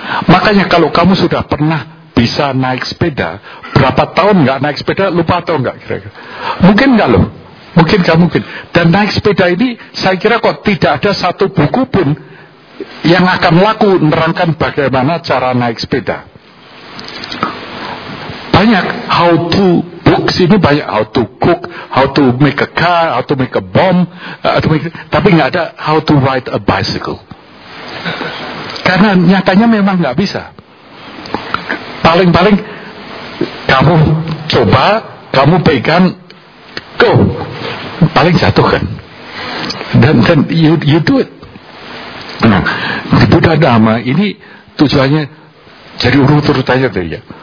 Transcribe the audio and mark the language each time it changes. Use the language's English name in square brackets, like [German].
[Indonesian] Makanya kalau kamu sudah pernah bisa naik sepeda, berapa tahun enggak naik sepeda, lupa atau enggak kira-kira. Mungkin enggak loh. Mungkin enggak mungkin. Dan naik sepeda ini, saya kira kok tidak ada satu buku pun yang akan laku menerangkan bagaimana cara naik sepeda. Banyak [English] how to books [Indonesian] ini, banyak [English] how to cook, how to make a car, how to make a bomb, [Indonesian] tapi enggak ada [English] how to ride a bicycle. [Indonesian] Karena nyatanya memang enggak bisa. Paling-paling kamu coba, kamu pegang, go. Paling jatuh kan. Dan [English] you do it. [Indonesian] Nah, di Buddha Dhamma ini tujuannya jadi urut-urutannya tadi ya.